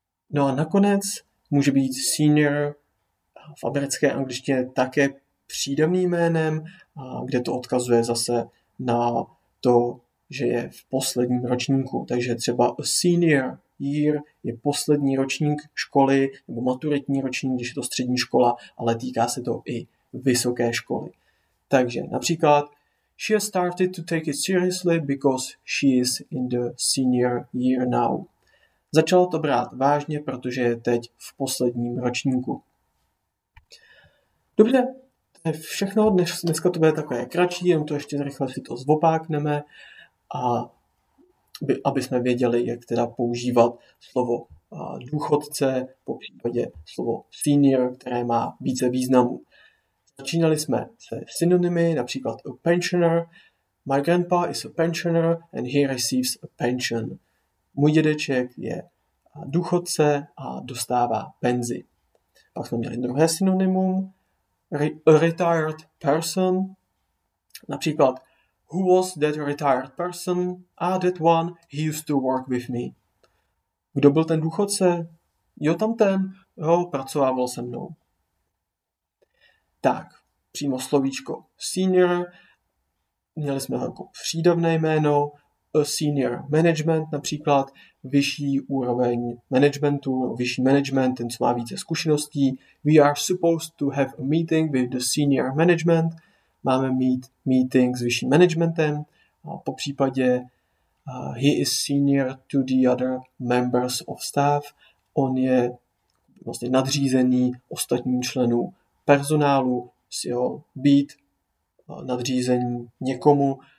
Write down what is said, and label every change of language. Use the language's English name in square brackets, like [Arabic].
[Czech] No a nakonec může být senior v americké angličtině také přídavným jménem, kde to odkazuje zase na to, že je v posledním ročníku. Takže třeba [English] a senior year [Czech] je poslední ročník školy nebo maturitní ročník, když je to střední škola, ale týká se to i vysoké školy. Takže například [English] she has started to take it seriously because she is in the senior year now. [Czech] Začala to brát vážně, protože je teď v posledním ročníku. Dobře, to je všechno. Dneska to bude takové kratší, jenom to ještě rychle si to zopakneme, aby jsme věděli, jak teda používat slovo důchodce, po případě slovo senior, které má více významů. Začínali jsme se synonymy, například [English] a pensioner. My grandpa is a pensioner and he receives a pension. [Czech] Můj dědeček je důchodce a dostává penzi. Pak jsme měli druhé synonymum. [English] A retired person. Například, who was that retired person? Ah, that one, he used to work with me. [Czech] Kdo byl ten důchodce? Jo, tamten, jo, pracoval se mnou. Tak, přímo slovíčko senior. Měli jsme ho jako přídavné jméno. [English] A senior management, [Czech] například vyšší úroveň managementu, vyšší management, ten, co má více zkušeností. [English] We are supposed to have a meeting with the senior management. [Czech] Máme mít meeting s vyšším managementem. A po případě [English] he is senior to the other members of staff. [Czech] On je vlastně nadřízený ostatním členů personálu, být nadřízený někomu.